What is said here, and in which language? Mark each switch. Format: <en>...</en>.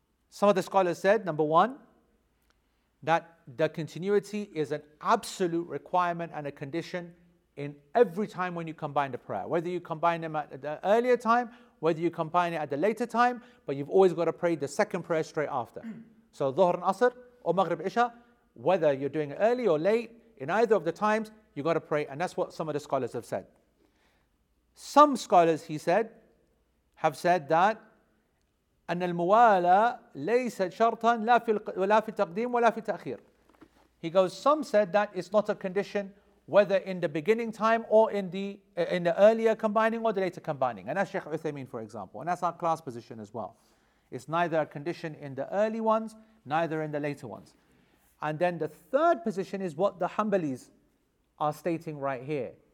<en>Some of the scholars said, number one, that the continuity is an absolute requirement and a condition in every time when you combine the prayer. Whether you combine them at the earlier time, whether you combine it at the later time, but you've always got to pray the second prayer straight after. So Dhuhr and Asr or Maghrib Isha, whether you're doing it early or late, in either of the times, you've got to pray. And that's what some of the scholars have said. Some scholars, he said, have said that</en> <ar>أن الموالاة ليست شرطا لا في ولا في التقديم ولا في التأخير.</ar> <en>He goes, some said that it's not a condition whether in the beginning time or in the earlier combining or the later combining. And that's Sheikh Uthaymeen, for example. And that's our class position as well. It's neither a condition in the early ones, neither in the later ones. And then the third position is what the Hanbalis are stating right here.</en>